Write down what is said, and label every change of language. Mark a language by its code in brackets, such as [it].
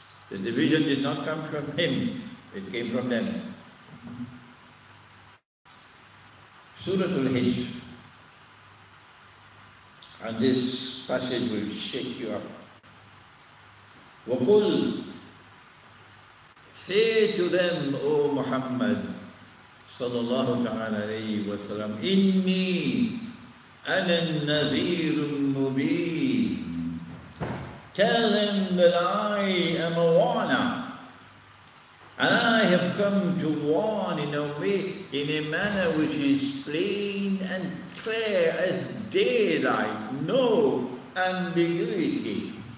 [en] The division did not come from him, it came from them. Surah Al-Hijj. And this passage will shake you up. [ar] وَقُلْ [en] Say to them, O Muhammad [ar] صلى الله عليه وسلم, إِنِّي أَنَا النَّذِيرُ الْمُبِينُ. [en] Tell them that I am a warner, and I have come to warn in a way, in a manner which is plain and clear as daylight, no ambiguity.